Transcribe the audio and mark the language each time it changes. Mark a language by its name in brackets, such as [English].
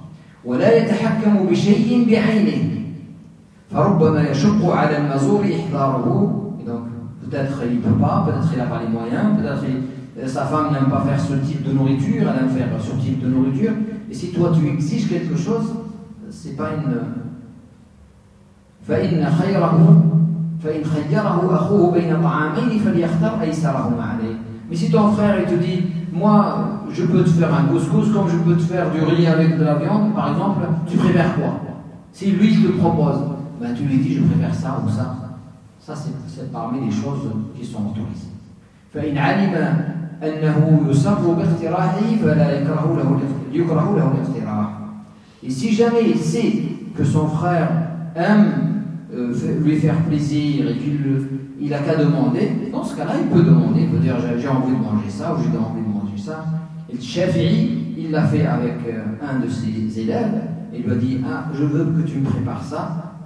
[Arabic] « وَلَا يَتَحَكَّمُ بِشَيْءٍ بِعَيْنِهِ » فربما يشق على المزور إحضاره. [French] Donc peut-être il ne peut pas, peut-être il n'a pas les moyens, peut-être sa femme n'aime pas faire ce type de nourriture, elle aime faire ce type de nourriture. Et si toi tu exiges quelque chose, c'est pas une. [Arabic] فإن خيره فإن خيره أخوه بين طعامين فليختار أيسرهما عليه. [French] Mais si ton frère il te dit, moi je peux te faire un couscous comme je peux te faire du riz avec de la viande, par exemple, tu préfères quoi? Si lui il te propose, ben tu lui dis je préfère ça ou ça. Ça c'est parmi les choses qui sont autorisées. [Arabic] فإن علم أنه يصر باقتراحه فلا يكره له يكره له الاقتراح. [French] Et si jamais il sait que son frère aime lui faire plaisir et qu'il il a qu'à demander, dans ce cas-là, il peut demander, il peut dire j'ai envie de manger ça ou j'ai envie de manger ça. Et le Shafi'i, il l'a fait avec un de ses élèves, il lui a dit ah, je veux que tu me prépares ça.